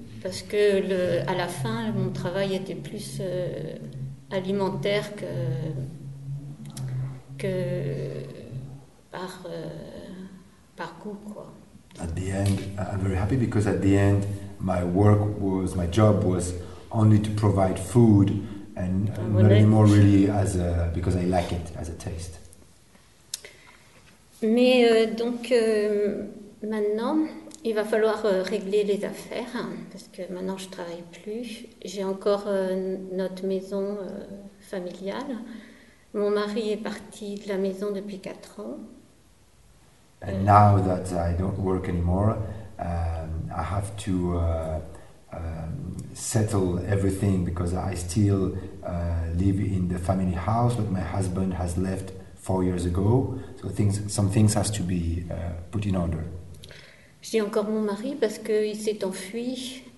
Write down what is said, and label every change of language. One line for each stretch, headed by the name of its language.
French: Parce que à la fin, mon travail était plus alimentaire que par coup, quoi.
English: At the end, I'm very happy because at the end, my job was only to provide food and not anymore really as a, because I like it as a taste.
French: Mais donc maintenant, il va falloir régler les affaires parce que maintenant je travaille plus. J'ai encore notre maison familiale. Mon mari est parti de la maison depuis 4 ans.
English: And now that I don't work anymore, I have to settle everything because I still live in the family house, but my husband has left 4 years ago. So some things has to be put in order.
French: Je dis encore mon mari parce qu'il s'est enfui.